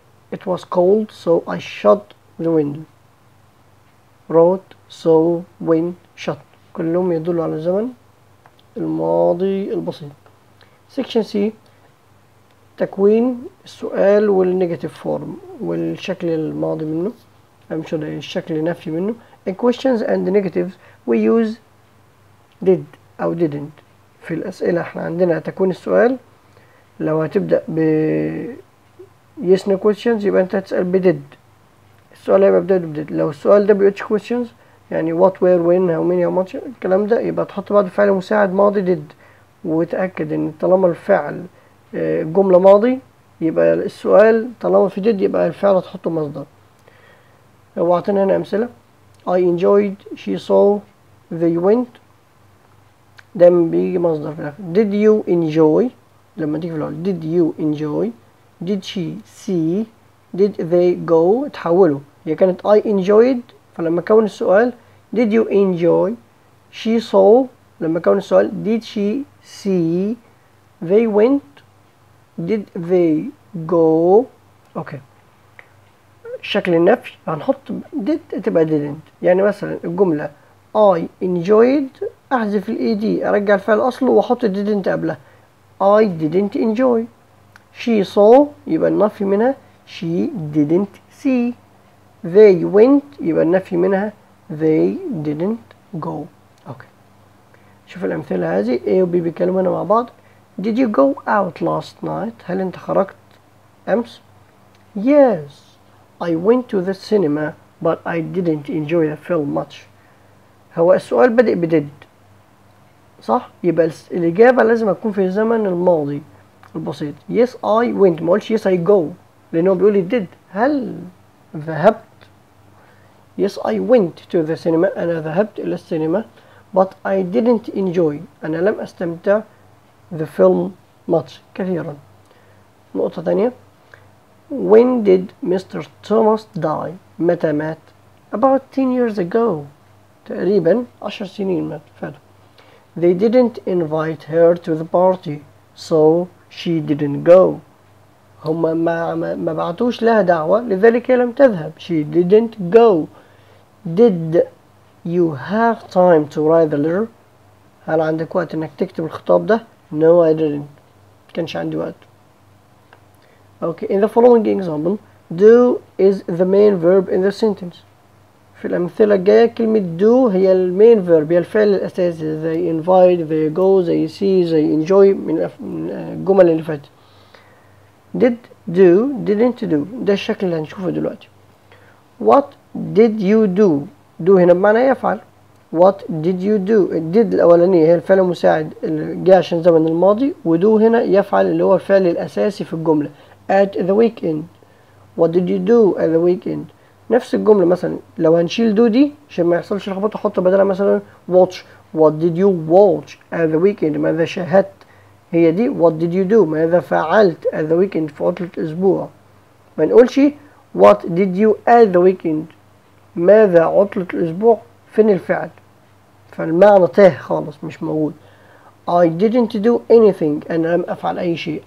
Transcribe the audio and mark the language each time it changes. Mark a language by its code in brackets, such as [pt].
[en] It was cold, so I shut the window. Wrote, so, when, shut. [ar] كلهم يدلوا على الزمن الماضي البسيط. [en] Section C. [ar] تكوين السؤال والنيجاتيف فورم والشكل الماضي منه. [en] I'm sure [ar] الشكل النفي منه. [en] In questions and negatives, we use did أو didn't. [ar] في الأسئلة إحنا عندنا تكوين السؤال. لو هتبدأ ب yes no questions يبقى أنت هتسأل ب did. السؤال يبقى بدأ ب did. لو السؤال ده ب which questions يعني what where when how many how much الكلام ده يبقى تحط بعد فعل مساعد ماضي did وتأكد إن طالما الفعل جملة ماضي يبقى السؤال طالما في did يبقى الفعل تحطه مصدر. هو أعطينا هنا أمثلة. [en] I enjoyed, she saw, they went. [ar] دايما بيجي مصدر في الاخر. [en] Did you enjoy [ar] لما تيجي في الاول. [en] Did you enjoy, did she see, did they go تحولوا. [ar] هي كانت [en] I enjoyed فلما كون السؤال did you enjoy, she saw لما كون السؤال did she see, they went, did they go. [ar] اوكي شكل النفي هنحط did تبقى didn't. يعني مثلا الجملة I enjoyed احذف الاي دي ارجع الفعل اصله واحط didn't قبله. [en] I didn't enjoy. She saw [ar] يبقى النفي منها [en] she didn't see. They went يبقى النفي منها they didn't go. [ar] اوكي شوف الامثله هذه A و B بيكلمونا مع بعض. [en] Did you go out last night؟ [ar] هل انت خرجت امس؟ [en] Yes I went to the cinema but I didn't enjoy the film much. [ar] هو السؤال بدأ بديد صح؟ يبقى الإجابة لازم تكون في الزمن الماضي البسيط. [en] Yes I went. [ar] ما قلش yes I go لأنه بيقول لي did. هل ذهبت؟ [en] Yes I went to the cinema. [ar] أنا ذهبت إلى السينما [en] but I didn't enjoy. [ar] أنا لم أستمتع [en] the film much [ar] كثيرا. نقطة ثانية. [en] When did Mr. Thomas die? [ar] متى مات؟ [en] About 10 years ago. [ar] تقريبا 10 سنين مات فعلا. [en] They didn't invite her to the party, so she didn't go. [ar] هما ما بعتوش لها دعوة لذلك هي لم تذهب. [en] She didn't go. Did you have time to write the letter? [ar] هل عندك وقت انك تكتب الخطاب ده؟ [en] No I didn't. [ar] كانش عندي وقت. [en] Okay, in the following example, do is the main verb in the sentence. [ar] في الأمثلة الجاية كلمة do هي المين فيرب هي الفعل الأساسي. [en] They invite, they go, they see, they enjoy من الجمل اللي فات. Did, do, didn't do [ar] ده الشكل اللي هنشوفه دلوقتي. [en] What did you do? [ar] Do هنا بمعنى يفعل. [en] What did you do? [ar] Did الأولانية هي الفعل المساعد الجاية عشان زمن الماضي ودو هنا يفعل اللي هو الفعل الأساسي في الجملة. [en] At the weekend. What did you do at the weekend? [ar] نفس الجملة مثلا لو هنشيل do دي عشان ما يحصلش لخبطة حط بدلها مثلا watch. [en] What did you watch at the weekend? [ar] ماذا شاهدت؟ هي دي. [en] What did you do? [ar] ماذا فعلت [en] at the weekend [ar] في عطلة أسبوع؟ ما نقولش [en] what did you at the weekend؟ [ar] ماذا عطلة الأسبوع؟ فين الفعل؟ فالمعنى تاه خالص مش موجود. [en] I didn't do anything. [ar] أنا لم أفعل أي شيء.